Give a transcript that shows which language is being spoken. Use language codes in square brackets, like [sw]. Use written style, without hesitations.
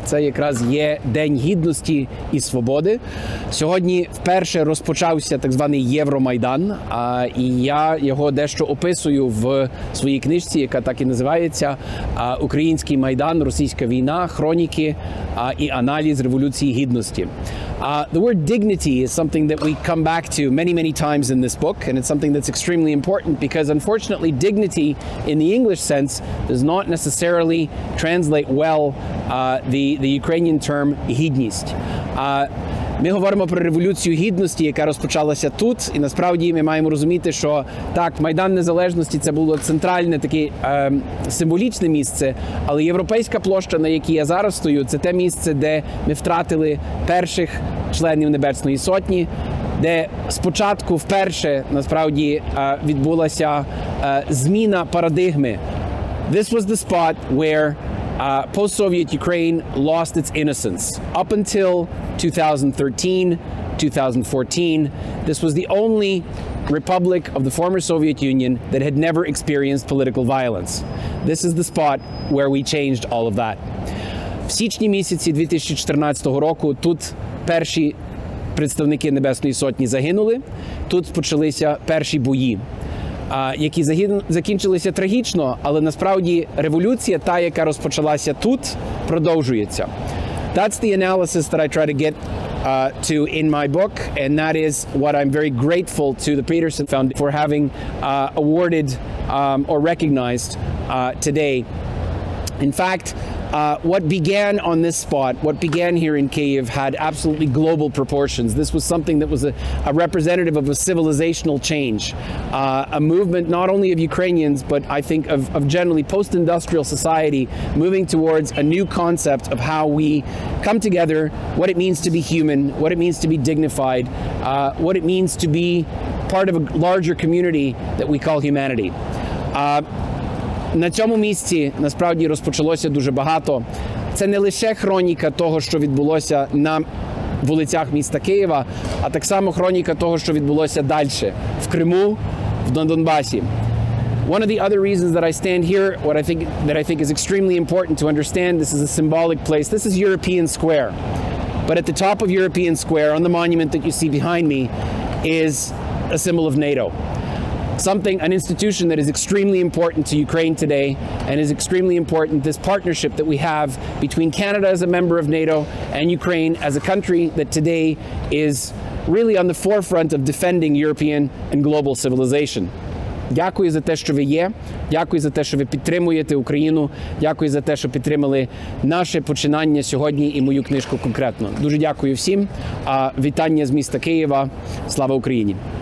[uk] Це якраз є День Гідності і Свободи. Сьогодні вперше розпочався так званий Євромайдан, і я його дещо описую в своїй книжці, яка так і називається «Український Майдан, Російська війна, хроніки і аналіз Революції Гідності». [en] The word dignity is something that we come back to many, many times in this book, and it's something that's extremely important because, unfortunately, dignity in the English sense does not necessarily translate well the Ukrainian term гідність. [uk] Ми говоримо про революцію гідності, яка розпочалася тут, і насправді ми маємо розуміти, що так, Майдан Незалежності – це було центральне, таке символічне місце, але Європейська площа, на якій я зараз стою, це те місце, де ми втратили перших членів Небесної Сотні, де спочатку вперше, насправді, відбулася зміна парадигми. [en] This was the spot where post-Soviet Ukraine lost its innocence. Up until 2013, 2014, this was the only republic of the former Soviet Union that had never experienced political violence. This is the spot where we changed all of that. [uk] В січні місяці 2014 року тут перші представники Небесної Сотні загинули, тут почалися перші бої, які закінчилися трагічно, але насправді революція, та, яка розпочалася тут, продовжується. [en] That's the analysis that I try to get to in my book, and that is what I'm very grateful to the Peterson Fund for having awarded or recognized today. In fact, what began on this spot, what began here in Kyiv, had absolutely global proportions. This was something that was a representative of a civilizational change, a movement not only of Ukrainians, but I think of generally post-industrial society moving towards a new concept of how we come together, what it means to be human, what it means to be dignified, what it means to be part of a larger community that we call humanity. [uk] На цьому місці, насправді, розпочалося дуже багато. Це не лише хроніка того, що відбулося на вулицях міста Києва, а так само хроніка того, що відбулося далі, в Криму, в Донбасі. [en] One of the other reasons that I stand here, what I think is extremely important to understand, this is a symbolic place, this is European Square. But at the top of European Square, on the monument that you see behind me, is a symbol of NATO. Something, an institution that is extremely important to Ukraine today and is extremely important, this partnership that we have between Canada as a member of NATO and Ukraine as a country that today is really on the forefront of defending European and global civilization. [uk] Дякую за те, що ви є. Дякую за те, що ви підтримуєте Україну. Дякую за те, що підтримали наше починання сьогодні і мою книжку конкретно. Дуже дякую всім. Вітання з міста Києва. Слава Україні!